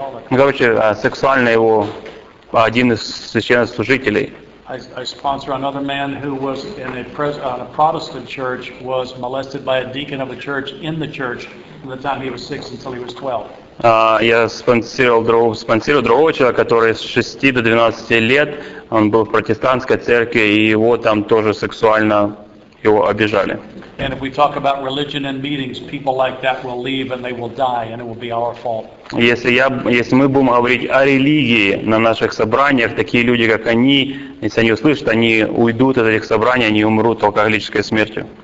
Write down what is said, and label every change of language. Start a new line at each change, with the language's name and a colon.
Russian: Короче, сексуально его один из священнослужителей.
English: I sponsor another man who was in a Protestant church, was molested by a deacon of a church in the church from the time he was 6 until he was 12.
Russian: Я спонсировал другого человека, который с 6 до 12 лет, он был в протестантской церкви, и его там тоже сексуально его обижали.
English: And if we talk about religion and meetings, people like that will leave and they will die, and it will be our fault.
Russian: Если мы будем говорить о религии на наших собраниях, такие люди, как они, если они услышат, они уйдут из этих собраний, они умрут алкоголической смертью.